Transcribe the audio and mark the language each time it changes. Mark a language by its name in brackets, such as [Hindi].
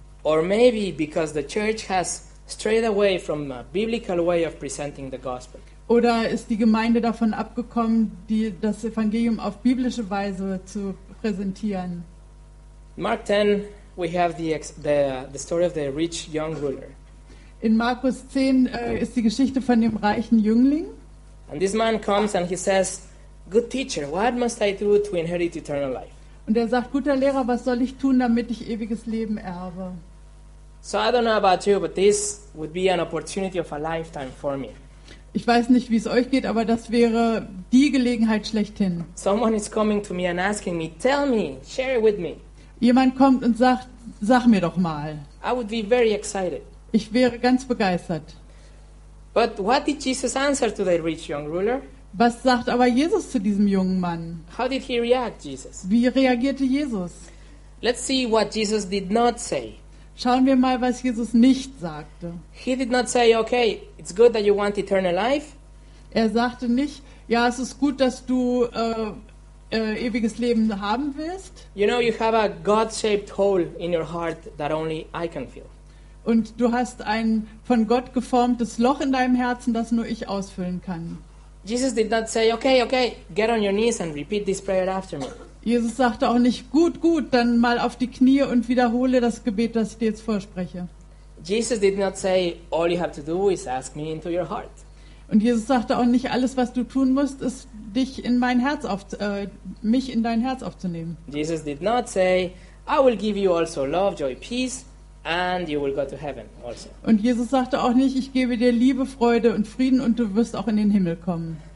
[English] Or maybe because the church has strayed away from a biblical way of presenting the gospel. [German] Oder ist die Gemeinde davon abgekommen, das Evangelium auf biblische Weise zu präsentieren? [English] Mark 10, we have the story of the rich young ruler. [German] In Markus 10 ist die Geschichte von dem reichen Jüngling. [English] And this man comes and he says, "Good teacher, what must I do to inherit eternal life?" [German] Und er sagt, guter Lehrer, was soll ich tun, damit ich ewiges Leben erbe? [English] So I don't know about you, but this would be an opportunity of a lifetime for me. [German] Ich weiß nicht, wie es euch geht, aber das wäre die Gelegenheit schlechthin. [English] Someone is coming to me and asking me, tell me, share it with me. [German] Jemand kommt und sagt, sag mir doch mal. [English] I would be very excited. [German] Ich wäre ganz begeistert. [English] But what did Jesus answer to the rich young ruler? [German] Was sagt aber Jesus zu diesem jungen Mann? [English] How did he react, Jesus? [German] Wie reagierte Jesus? [English] Let's see what Jesus did not say. [German] Schauen wir mal, was Jesus nicht sagte. [English] He did not say, okay, it's good that you want eternal life. [German] Er sagte nicht, ja, es ist gut, dass du ewiges Leben haben willst. [English] You know, you have a God-shaped hole in your heart that only I can fill. [German] Und du hast ein von Gott geformtes Loch in deinem Herzen, das nur ich ausfüllen kann. [English] Jesus did not say, okay, okay, get on your knees and repeat this prayer after me. [German] Jesus sagte auch nicht, gut, gut, dann mal auf die Knie und wiederhole das Gebet, das ich dir jetzt vorspreche. [English] Jesus did not say, all you have to do is ask me into your heart. [German] Und Jesus sagte auch nicht, alles, was du tun musst, ist mich in dein Herz aufzunehmen. [English] Jesus did not say, I will give you also love, joy, peace, and you will go to heaven also. [German] Und Jesus sagte auch nicht, ich gebe dir Liebe, Freude und Frieden und du wirst auch in den Himmel kommen.